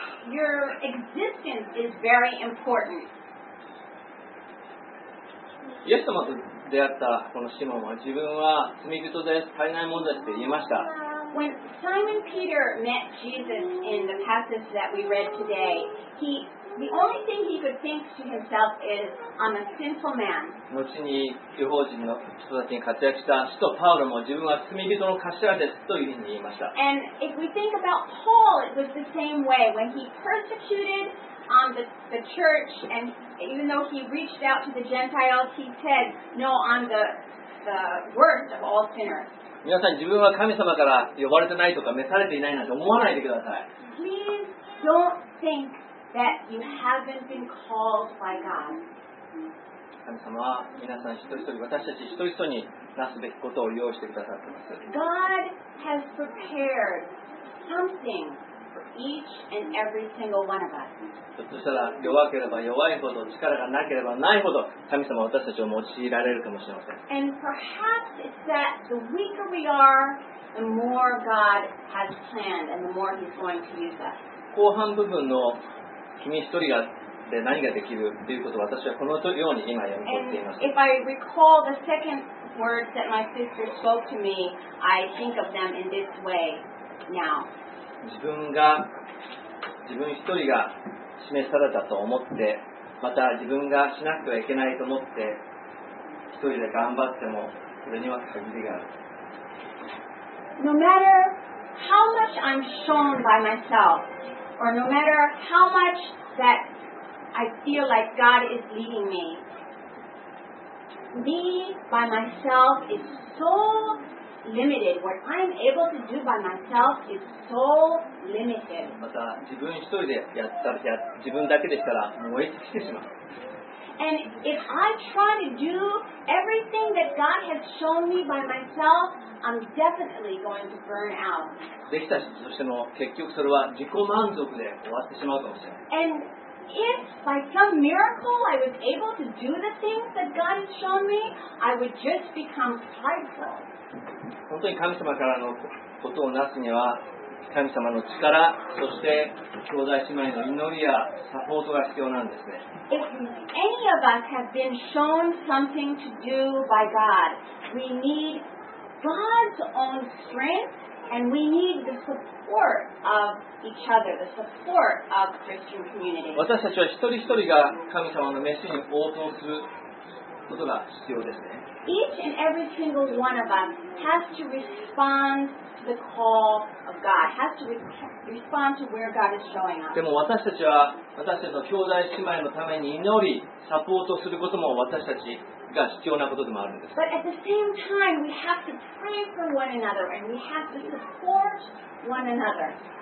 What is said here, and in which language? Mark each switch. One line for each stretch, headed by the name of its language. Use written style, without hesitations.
English: Your existence is very important.
Japanese: イエス様と出会ったこのシモンは自分は罪人です、足りないものですと言いました。
English: When Simon Peter met Jesus in the passage that we read today, the only thing he could think to himself is, I'm a sinful man.
Japanese: 後に異邦人の人たちに活躍した使徒パウロも自分は罪人の頭ですというふうに言いました。
English: And if we think about Paul, it was the same way. When he persecuted the church, and even though he reached out to the Gentiles, he said, No, I'm the worst of all sinners.
Japanese: 皆さん自分は神様から呼ばれてないとか召されていないなんて思わないでください。
English: Please don't think that you haven't been called by God.
Japanese: 神様は皆さん一人一人、私たち一人一人になすべきことを用意してくださっています。
English: God has prepared something for each and every single one of us.
Japanese: ひょっとしたら弱ければ弱いほど、力がなければないほど、神様は私たちを用いられるかもしれません。
English: And perhaps it's that the weaker we are, the more God has planned and the more He's going to use us.
Japanese: 後半部分の君一人がで何ができるということを私はこのように今読み取っています。
English: And if I recall the second words that my sister spoke to me, I think of them in this way now.
Japanese: 自分一人が示されたと思って、また自分がしなくてはいけないと思って、一人で頑張っても、それには限りがある。
English: No matter how much I'm shown by myself, or no matter how much that I feel like God is leading me, me by myself is so limited. What I'm able to do by myself is so limited.
Japanese: また自分一人でやったら、自分だけでしたら燃え尽きてしまう。
English: And if I try to do everything that God has shown me by myself, I'm definitely going to burn out.
Japanese: できたとしても結局それは自己満足で終わってしまうかもしれない。
English: And if by some miracle I was able to do the things that God has shown me, I would just become prideful.
Japanese: 本当に神様からのことをなすには神様の力、そして兄弟姉妹の祈りやサポートが必要なんですね。
English: If any of us have been shown something to do by God, we need God's own strength and we need the support of each other, the support of Christian community.
Japanese: 私たちは一人一人が神様の召しに応答することが必要ですね。
English: each and every single one of us has to respond to the call of God, has to respond to where God is showing us.
Japanese: でも私たちは私たちの兄弟姉妹のために祈り、サポートすることも私たちが必要なことでもあるんです。
English: But at the same time, we have to pray for one another and we have to support one another.